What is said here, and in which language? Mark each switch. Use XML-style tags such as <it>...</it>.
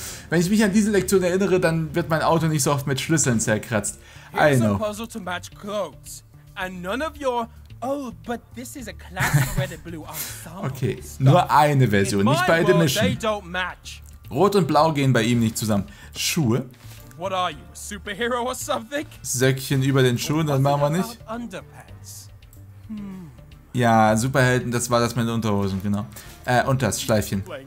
<de>Wenn ich mich an diese Lektion erinnere, dann wird mein Auto nicht so oft mit Schlüsseln zerkratzt.</de> <en>I know. Here's a puzzle to match clothes. And none of your... Oh, but this is a classic red and blue ensemble.</en> <de>Okay, nur eine Version, nicht beide mischen.</de> <en>They don't match.</en> <de>Rot und Blau gehen bei ihm nicht zusammen. Schuhe.</de> <en>What are you, a superhero or something?</en> <de>Säckchen über den Schuhen, das machen wir nicht.</de> <en>Underpants?</en> <de>Ja, Superhelden, das war das mit Unterhosen, genau. Und das Schleifchen.</de>